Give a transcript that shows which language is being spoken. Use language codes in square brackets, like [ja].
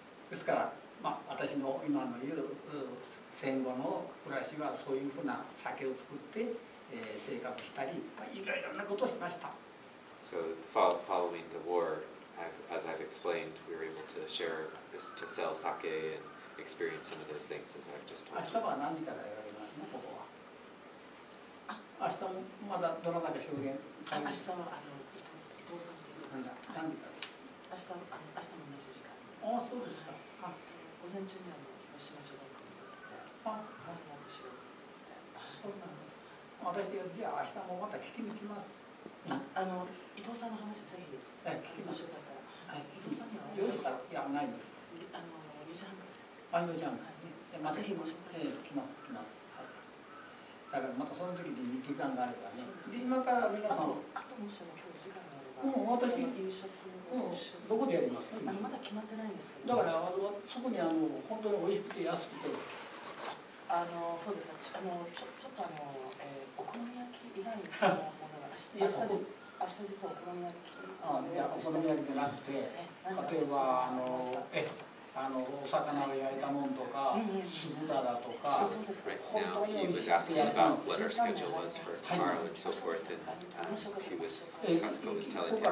[ja] ですから、私の今の言う戦後の暮らしはそういうふうな酒を作って生活したり、いろいろなことをしました。 [en] So, following the war, as I've explained, we were able to share, to sell sake and experience some of those things as I've just told you. [ja] 明日は何時からやられますの、ここは。明日もまだどなたか証言。明日は伊藤さんで。何だ、何時から。明日も同じ時間。ああ、そうですか。午前中に広島城に行って、まずは私が行って、私じゃあ明日もまた聞きに行きます。伊藤さんの話、ぜひ聞きましょうか。伊藤さんには夜から、いや、ないです。 4時半からです。あ、4時半からね。ぜひご紹介します。来ます。だからまたその時に2時間があればね。今から皆さん、あと、もしも今日時間があれば、私、どこでやりますか。まだ決まってないんですけど、だから、そこに本当に美味しくて安くて、そうですね、ちょっとお好み焼き以外のものが、明日実はお好み焼き、いや、お好み焼きじゃなくて、例えば、 [en] Now, he was asking about what our schedule was for tomorrow and so forth, and he was telling me.